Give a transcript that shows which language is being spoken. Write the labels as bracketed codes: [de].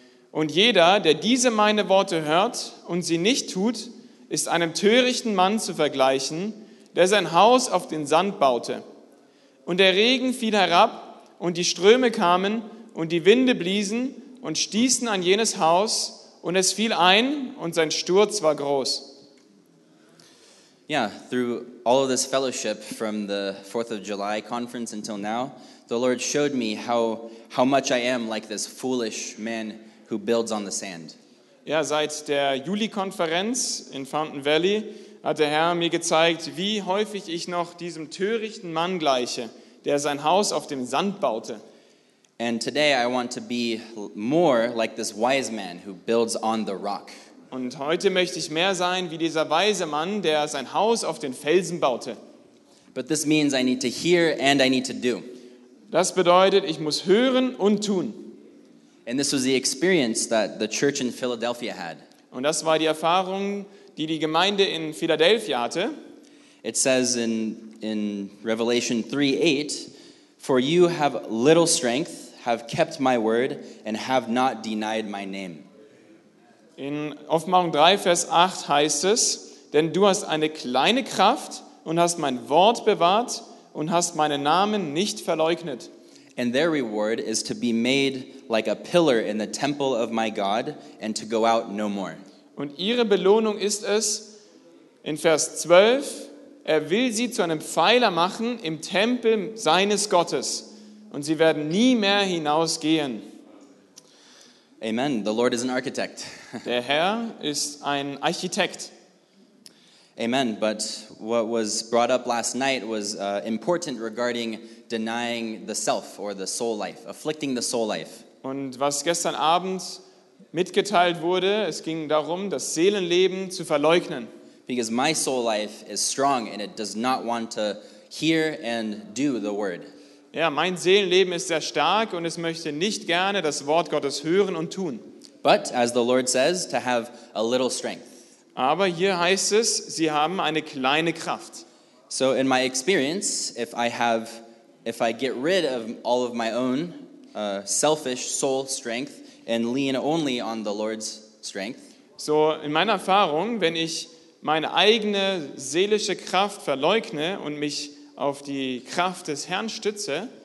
[de] Und jeder, der diese meine Worte hört und sie nicht tut, ist einem törichten Mann zu vergleichen, der sein Haus auf den Sand baute. Und der Regen fiel herab und die Ströme kamen und die Winde bliesen und stießen an jenes Haus und es fiel ein und sein Sturz war groß. [en] Yeah, through all of this fellowship from the 4th of July conference until now, the Lord showed me how much I am like this foolish man who builds on the sand. [de] Ja, seit der Juli-Konferenz in Fountain Valley hat der Herr mir gezeigt, wie häufig ich noch diesem törichten Mann gleiche, der sein Haus auf dem Sand baute. [en] And today I want to be more like this wise man who builds on the rock. [de] Und heute möchte ich mehr sein wie dieser weise Mann, der sein Haus auf den Felsen baute. [en] But this means I need to hear and I need to do. [de] Das bedeutet, ich muss hören und tun. [en] And this was the experience that the church in Philadelphia had. [de] Und das war die Erfahrung, die die Gemeinde in Philadelphia hatte. [en] It says in Revelation 3:8, "For you have little strength, have kept my word, and have not denied my name." [de] In Offenbarung 3, Vers 8 heißt es, "Denn du hast eine kleine Kraft und hast mein Wort bewahrt und hast meinen Namen nicht verleugnet." [en] And their reward is to be made like a pillar in the temple of my God and to go out no more. [de] Und ihre Belohnung ist es, in Vers 12, er will sie zu einem Pfeiler machen im Tempel seines Gottes und sie werden nie mehr hinausgehen. [en] Amen. The Lord is an architect. [de] Der Herr ist ein Architekt. Amen. [en] But what was brought up last night was important regarding denying the self or the soul life, afflicting the soul life. [de] Und was gestern Abend mitgeteilt wurde, es ging darum, das Seelenleben zu verleugnen. [en] Because my soul life is strong and it does not want to hear and do the word. [de] Ja, mein Seelenleben ist sehr stark und es möchte nicht gerne das Wort Gottes hören und tun. [en] But as the Lord says, to have a little strength. [de] Aber hier heißt es, sie haben eine kleine Kraft. [en] So in my experience, if I get rid of all of my own selfish soul strength and lean only on the Lord's strength. [de] So in meiner Erfahrung, wenn ich meine eigene seelische Kraft verleugne und mich auf die Kraft des Herrn stütze,